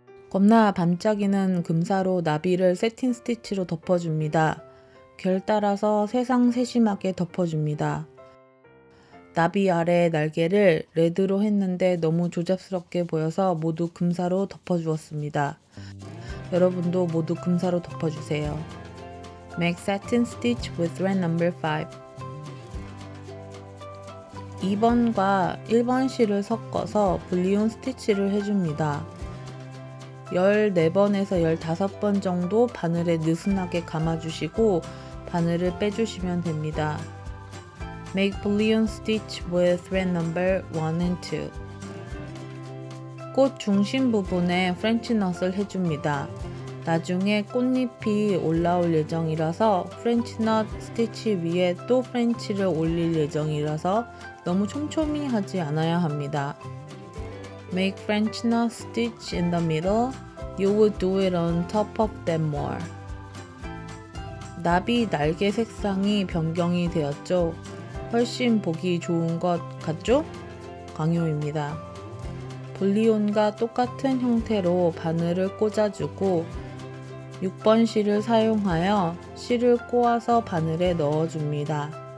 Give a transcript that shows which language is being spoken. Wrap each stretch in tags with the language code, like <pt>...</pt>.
<ko>겁나 반짝이는 금사로 나비를 새틴 스티치로 덮어줍니다. 결 따라서 세상 세심하게 덮어줍니다. 나비 아래 날개를 레드로 했는데 너무 조잡스럽게 보여서 모두 금사로 덮어주었습니다. 여러분도 모두 금사로 덮어주세요.</ko> <en>Make satin stitch with thread number 5.</en> <ko>2번과 1번 실을 섞어서 불리온 스티치를 해줍니다. 14번에서 15번 정도 바늘에 느슨하게 감아주시고 바늘을 빼주시면 됩니다.</ko> <en>Make bullion stitch with thread number 1 and 2.</en> <ko>꽃 중심 부분에 프렌치넛을 해줍니다. 나중에 꽃잎이 올라올 예정이라서 프렌치넛 스티치 위에 또 프렌치를 올릴 예정이라서 너무 촘촘히 하지 않아야 합니다.</ko> <en>Make French knot stitch in the middle. You would do it on top of them more.</en> <ko>나비 날개 색상이 변경이 되었죠? 훨씬 보기 좋은 것 같죠? 강요입니다. 불리온과 똑같은 형태로 바늘을 꽂아주고 6번 실을 사용하여 실을 꼬아서 바늘에 넣어줍니다.</ko>